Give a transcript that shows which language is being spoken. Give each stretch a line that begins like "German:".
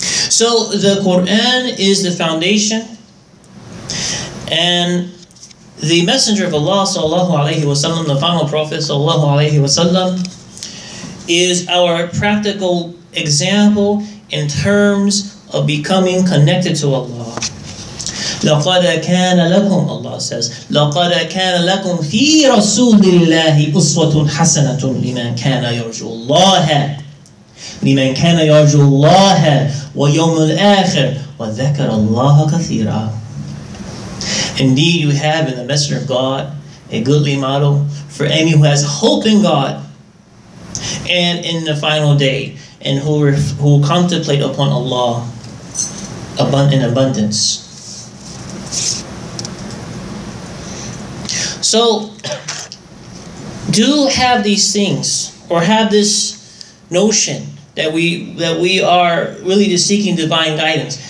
English: So the Quran is the foundation, and the Messenger of Allah sallallahu alayhi wa sallam, the final prophet sallallahu alayhi wa sallam, is our practical example in terms of becoming connected to Allah.
Arabic: لَقَدْ كَانَ لَكُمْ,
English: Allah says,
Arabic: لَقَدْ كَانَ لَكُمْ فِي رَسُولِ اللَّهِ أُسْوَةٌ حَسَنَةٌ لِمَنْ كَانَ يَرْجُوا اللَّهَ لِمَنْ كَانَ يَرْجُوا اللَّهَ وَيَوْمُ الْآخِرِ وَذَكَرَ اللَّهَ كَثِيرًا.
English: Indeed, you have in the Messenger of God a goodly model for any who has hope in God and in the final day, and who contemplate upon Allah in abundance. So, do have these things, or have this notion that we are really just seeking divine guidance.